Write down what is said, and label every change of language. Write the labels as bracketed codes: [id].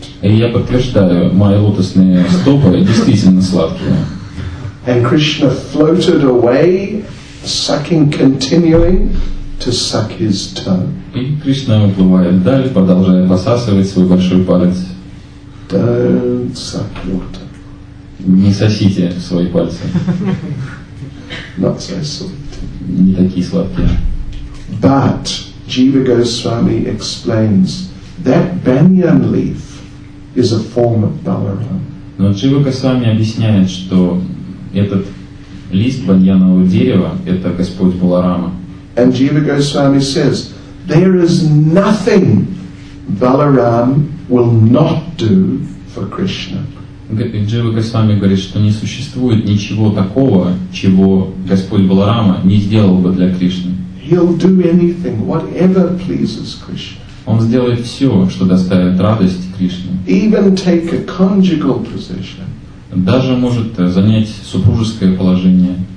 [ru] И я подтверждаю, мои лотосные стопы действительно сладкие. [en] And Krishna floated away, sucking continually to suck his tongue. [ru] И Кришна уплывает вдаль, продолжая посасывать свой большой палец. [en] Don't suck water. [ru] Не сосите свои пальцы. [en] Not so sweet. [ru] Не такие сладкие. [en] But Jiva Goswami explains that banyan leaf is a form of Balaram. [ru] Но Jiva Goswami объясняет, что этот лист баньянового дерева – это Господь Баларама. [en] And Jiva Goswami says, there is nothing Balaram will not do for Krishna. [ru] Джива Госвами говорит, что не существует ничего такого, чего Господь Баларама не сделал бы для Кришны. [en] He'll do anything, whatever pleases Krishna. [ru] Он сделает все, что доставит радость Кришне. [en] Even take a conjugal position. [ru] Даже может занять супружеское положение.